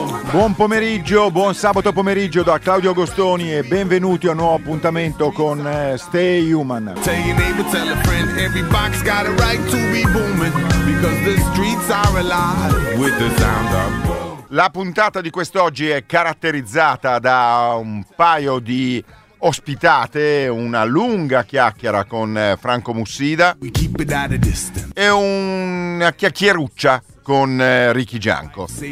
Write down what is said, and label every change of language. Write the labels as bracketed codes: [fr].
[it] Buon pomeriggio, buon sabato pomeriggio da Claudio Agostoni e benvenuti a un nuovo appuntamento con Stay Human. [en] Tell your neighbor, tell a friend, every box got a right to be booming, because the streets are alive with the sound of boom. [it] La puntata di quest'oggi è caratterizzata da un paio di ospitate, una lunga chiacchiera con Franco Mussida e una chiacchieruccia con Ricky Gianco.